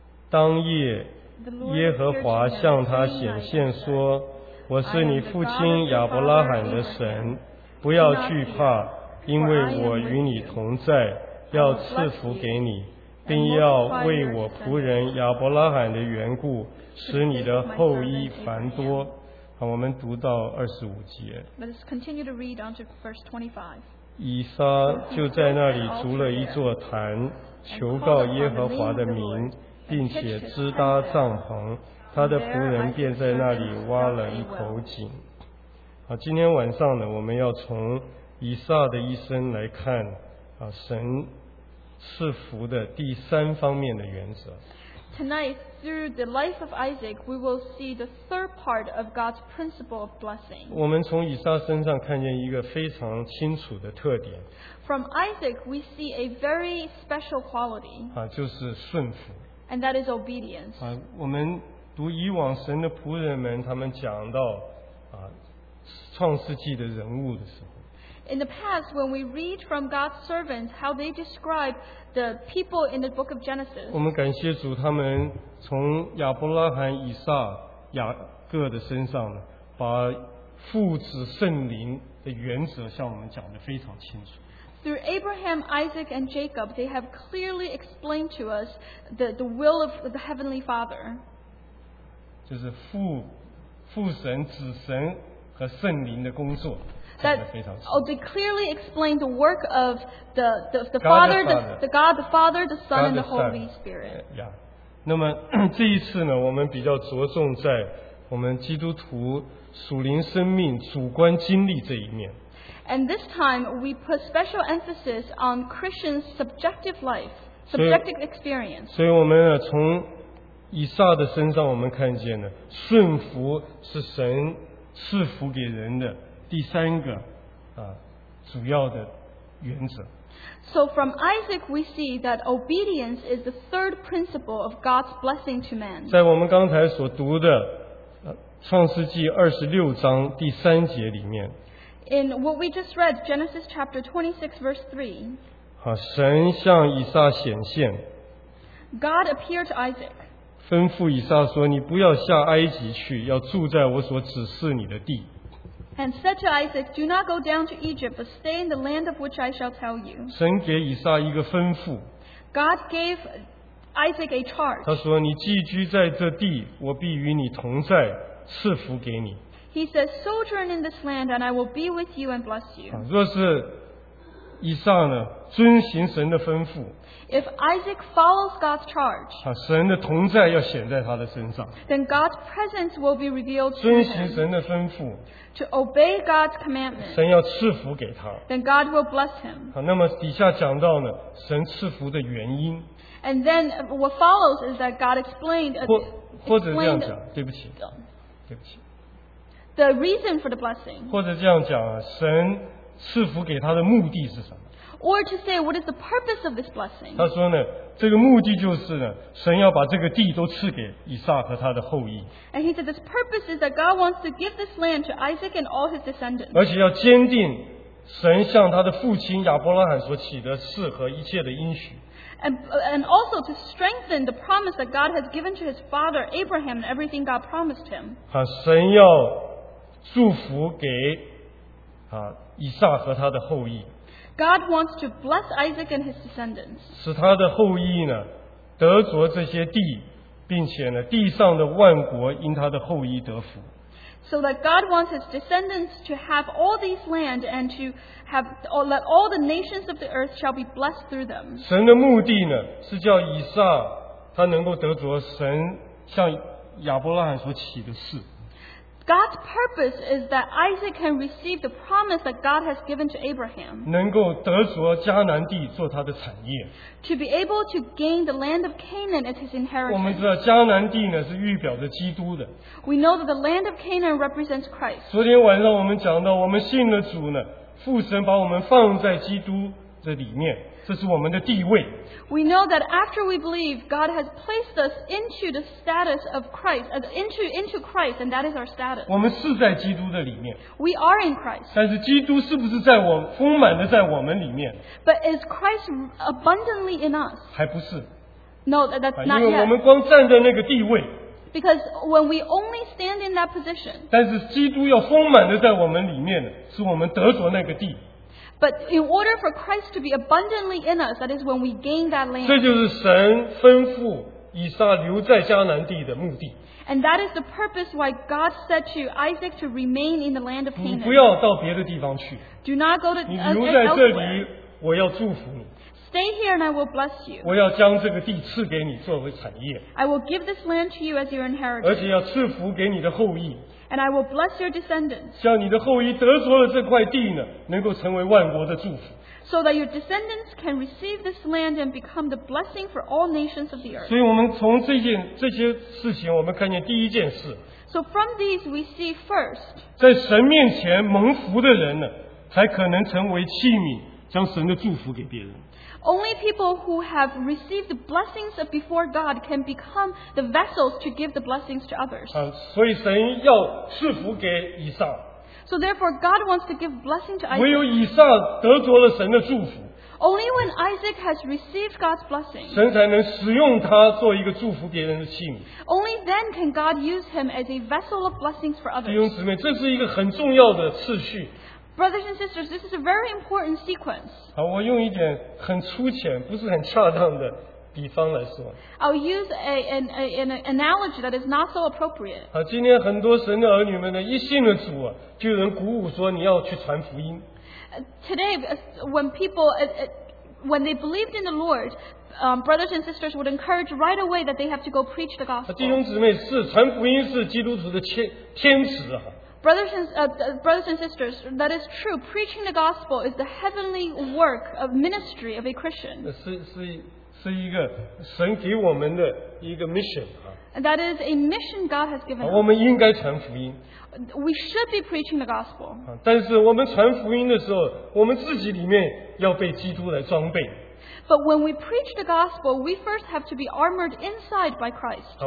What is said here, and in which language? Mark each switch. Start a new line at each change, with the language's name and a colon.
Chinese: 当夜，耶和华向他显现说：我是你父亲亚伯拉罕的神，不要惧怕，因为我与你同在，要赐福给你，并要为我仆人亚伯拉罕的缘故，使你的后裔繁多。好，我们读到二十五节。
English: Let's continue to read on to verse 25.
Chinese: 以撒就在那里筑了一座坛，求告耶和华的名，并且支搭帐篷。他的仆人便在那里挖了一口井。好，今天晚上呢，我们要从以撒的一生来看啊，神赐福的第三方面的原则。
English: Tonight, through the life of Isaac, we will see the third part of God's principle of blessing.
Chinese: 我们从以撒身上看见一个非常清楚的特点。
English: From Isaac, we see a very special quality.
Chinese: 啊，就是顺服。
English: And that is obedience.
Chinese: 啊，我们读以往神的仆人们，他们讲到啊，创世纪的人物的时候。
English: In the past, when we read from God's servants how they describe the people in the book of Genesis,
Chinese: 我们感谢主，他们从亚伯拉罕、以撒、雅各的身上呢，把父子圣灵的原则向我们讲得非常清楚。
English: Through Abraham, Isaac, and Jacob, they have clearly explained to us the will of the Heavenly Father.
Chinese: 就是父神、子神和圣灵的工作。
English: They clearly explain the work of the Father, the God, the Father, the Son, and the Holy Spirit. Yeah.
Chinese: 那么这一次呢，我们比较着重在我们基督徒属灵生命主观经历这一面。
English: And this time we put special emphasis on Christian's subjective life, subjective experience.
Chinese: 所以我们呢，从以撒的身上，我们看见呢，顺服是神赐福给人的。第三个主要的原则。
English: So from Isaac we see that obedience is the third principle of God's blessing to man.
Chinese: 在我们刚才所读的创世纪二十六章第三节里面。
English: In what we just read, Genesis chapter 26 verse 3.
Chinese: 神向以撒显现。
English: God appeared to Isaac.
Chinese: 吩咐以撒说，你不要下埃及去，要住在我所指示你的地。
English: And said to Isaac, Do not go down to Egypt, but stay in the land of which I shall tell you.
Chinese: 神给以撒一个吩咐。
English: God gave Isaac a charge.
Chinese: 他说，你寄居在这地，我必与你同在，赐福给你。
English: He says, Sojourn in this land, and I will be with you and bless you.
Chinese: 若是以撒呢，遵行神的吩咐。
English: If Isaac follows God's charge,
Chinese: 啊，神的同在要显在他的身上。
English: Then God's presence will be revealed to him.
Chinese: 遵行神的吩咐。
English: To obey God's commandment.
Chinese: 神要赐福给他。
English: Then God will bless him.
Chinese: 啊，那么底下讲到呢，神赐福的原因。
English: And then what follows is that God explained.
Chinese: 或者这样讲，对不起，对不起。
English: The reason for the blessing.
Chinese: 或者这样讲啊，神赐福给他的目的是什么？
English: Or to say, what is the purpose of this blessing?
Chinese: 他说呢，这个目的就是呢，神要把这个地都赐给以撒和他的后裔。
English: And he said, this purpose is that God wants to give this land to Isaac and all his descendants.
Chinese: 而且要坚定神向他的父亲亚伯拉罕所起的誓和一切的应许。
English: And also to strengthen the promise that God has given to his father Abraham and everything God promised him.
Chinese: 啊，神要祝福给啊以撒和他的后裔。
English: God wants to bless Isaac and his descendants.
Chinese: 使他的后裔呢得着这些地，并且呢地上的万国因他的后裔得福。
English: So that God wants his descendants to have all these land and to have or let all the nations of the earth shall be blessed through them.
Chinese: 神的目的呢是叫以撒他能够得着神向亚伯拉罕所起的誓。
English: God's purpose is that Isaac can receive the promise that God has given to Abraham.
Chinese: 能够得着迦南地做他的产业。
English: To be able to gain the land of Canaan as his inheritance.
Chinese: 我们知道迦南地呢是预表着基督的。
English: We know that the land of Canaan represents Christ.
Chinese: 昨天晚上我们讲到，我们信了主呢，父神把我们放在基督这里面，这是我们的地位。
English: We know that after we believe, God has placed us into the status of Christ, into Christ, and that is our status.
Chinese: 我们是在基督的里面。
English: We are in Christ.
Chinese: 但是基督是不是在我丰满的在我们里面？
English: But is Christ abundantly in us?
Chinese: 还不是。
English: No, that's not yet.
Chinese: 因为我们光站在那个地位。
English: Because when we only stand in that position.
Chinese: 但是基督要丰满的在我们里面，是我们得着那个地。
English: But in order for Christ to be abundantly in us, that is when we gain that land.
Chinese: 这就是神吩咐以撒留在迦南地的目的。
English: And that is the purpose why God said to Isaac to remain in the land of Canaan.
Chinese: 你不要到别的地方去。
English: Do not go to elsewhere.
Chinese: 你留在这里，我要祝福你。
English: Stay here and I will bless you.
Chinese: 我要将这个地赐给你作为产业。
English: I will give this land to you as your inheritance.
Chinese: 而且要赐福给你的后裔。
English: And I will bless your descendants.
Chinese: 像你的后裔得着了这块地呢，能够成为万国的祝福。
English: So that your descendants can receive this land and become the blessing for all nations of the earth.
Chinese: 所以我们从这些事情，我们看见第一件事。
English: So from these we see first.
Chinese: 在神面前蒙福的人呢，才可能成为器皿，将神的祝福给别人。
English: Only people who have received the blessings before God can become the vessels to give the blessings to others.
Chinese: 啊，所以神要赐福给以撒。
English: So therefore, God wants to give blessing to Isaac.
Chinese: 唯有以撒得着了神的祝福。
English: Only when Isaac has received God's blessing.
Chinese: 神才能使用他做一个祝福别人的器皿。
English: Only then can God use him as a vessel of blessings for others.
Chinese: 弟兄姊妹，这是一个很重要的次序。
English: Brothers and sisters, this is a very important sequence.
Chinese: 好，我用一点很粗浅、不是很恰当的比方来说。
English: I'll use an analogy that is not so appropriate.
Chinese: 好，今天很多神的儿女们呢，一信了主啊，就有人鼓舞说你要去传福音。
English: Today, when people when they believed in the Lord, brothers and sisters would encourage right away that they have to go preach the gospel.
Chinese: 弟兄姊妹，是传福音是基督徒的天职啊。
English: Brothers and sisters, that is true. Preaching the gospel is the heavenly work of ministry of a Christian.
Chinese: 是一个神给我们的一个 mission 啊。
English: That is a mission God has given us.
Chinese: 我们应该传福音。
English: We should be preaching the gospel.
Chinese: 但是我们传福音的时候，我们自己里面要被基督来装备。
English: But when we preach the gospel, we first have to be armored inside by Christ.